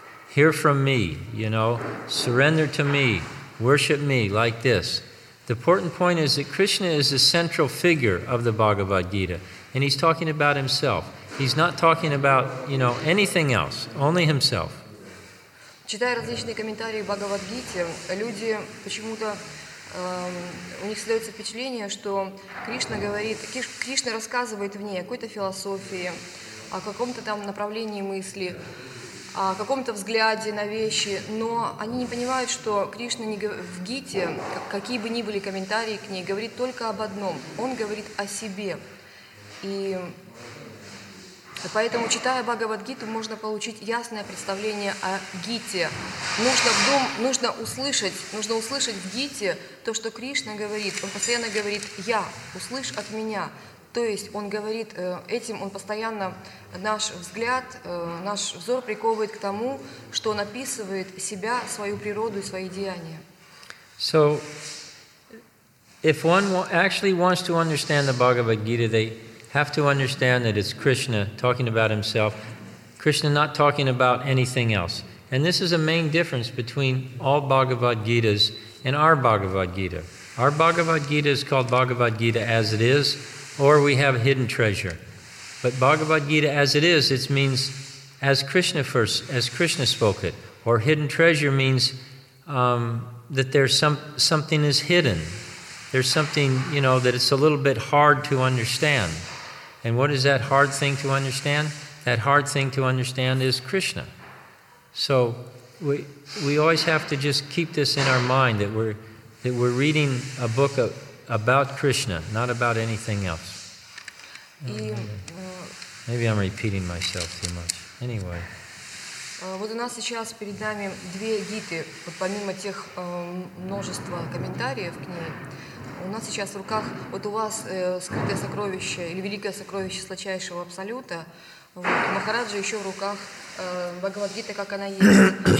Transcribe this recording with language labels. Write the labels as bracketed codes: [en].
[en] Hear from me, you know, surrender to me, worship me, like this. The important point is that Krishna is the central figure of the Bhagavad Gita, and he's talking about himself. He's not talking about, you know, anything else, only himself. [ru] Читая различные комментарии в Бхагавад-гите, люди почему-то, у них создается впечатление, что Кришна говорит, Кришна рассказывает в ней о какой-то философии, о каком-то там направлении мысли, о каком-то взгляде на вещи, но они не понимают, что Кришна не в гите, какие бы ни были комментарии к ней, говорит только об одном, он говорит о себе. И поэтому, читая Бхагавад-гиту, можно получить ясное представление о гите. Нужно услышать в гите то, что Кришна говорит. Он постоянно говорит «Я, услышь от меня». То есть он говорит, этим он постоянно наш взгляд, наш взор приковывает к тому, что он описывает себя, свою природу и свои деяния. [en] So, if one actually wants to understand the Bhagavad-gita, they have to understand that it's Krishna talking about himself, Krishna not talking about anything else. And this is a main difference between all Bhagavad Gitas and our Bhagavad Gita. Our Bhagavad Gita is called Bhagavad Gita as it is, or we have hidden treasure. But Bhagavad Gita as it is, it means as Krishna spoke it. Or hidden treasure means that there's something is hidden. There's something, you know, that it's a little bit hard to understand. And what is that hard thing to understand? that hard thing to understand is Krishna. So we always have to just keep this in our mind that we're reading a book about Krishna, not about anything else. Maybe I'm repeating myself too much. Anyway. [ru] Вот у нас сейчас перед нами две гиты, вот помимо тех множества комментариев к ней. У нас сейчас в руках, вот у вас скрытое сокровище или великое сокровище сладчайшего абсолюта. Вот, Махараджа еще в руках Бхагавад-гита, как она есть.